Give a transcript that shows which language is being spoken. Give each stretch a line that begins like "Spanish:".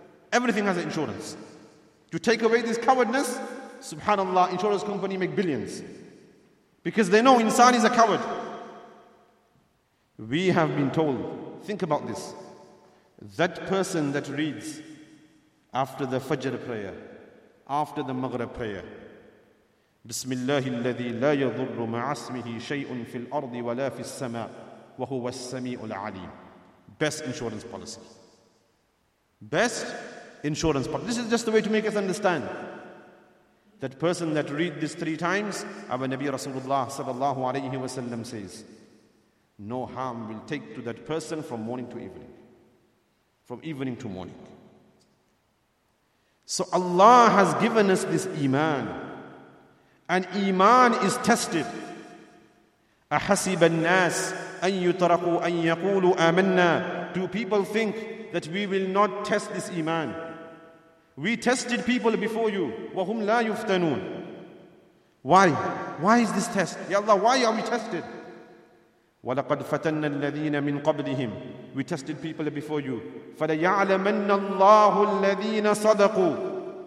English: Everything has insurance. To take away this cowardness, subhanallah, insurance company make billions. Because they know insan is a coward. We have been told, think about this, that person that reads after the Fajr prayer, after the Maghrib prayer.
Arabic: بسم الله الذي لا يضر مع اسمه شيء في الأرض ولا في السماء وهو السميع العليم.
English: Best insurance policy. Best insurance policy. This is just the way to make us understand. That person that read this three times, our Nabi Rasulullah sallallahu alayhi wa sallam says, no harm will take to that person from morning to evening. From evening to morning. So Allah has given us this iman. And iman is tested.
Arabic: أحسب الناس أن يتركوا أن يقولوا آمنا.
English: Do people think that we will not test this iman? We tested people before you.
Arabic: وَهُمْ لَا يُفْتَنُونَ.
English: Why? Why is this test? Ya Allah, why are we tested?
Arabic: وَلَقَدْ فَتَنَّ الَّذِينَ مِنْ قَبْلِهِمْ.
English: We tested people before you.
Arabic: فَلَيَعْلَمَنَّ اللَّهُ الَّذِينَ صَدَقُوا.